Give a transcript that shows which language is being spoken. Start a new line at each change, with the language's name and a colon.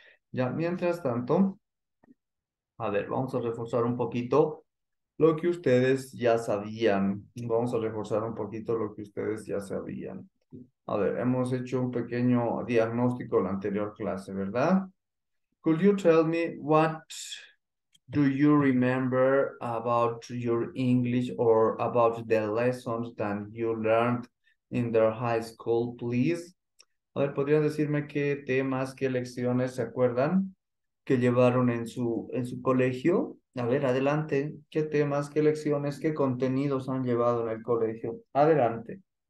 Spanish: Ya, mientras tanto, a ver, vamos a reforzar un poquito lo que ustedes ya sabían. Vamos a reforzar un poquito lo que ustedes ya sabían. A ver, hemos hecho un pequeño diagnóstico en la anterior clase, ¿verdad?
English: Could you tell me what do you remember about your English or about the lessons that you learned in the high school, please?
Spanish: A ver, ¿podrían decirme qué temas, qué lecciones se acuerdan que llevaron en su colegio? A ver, adelante. ¿Qué temas, qué lecciones, qué contenidos han llevado en el colegio? Adelante.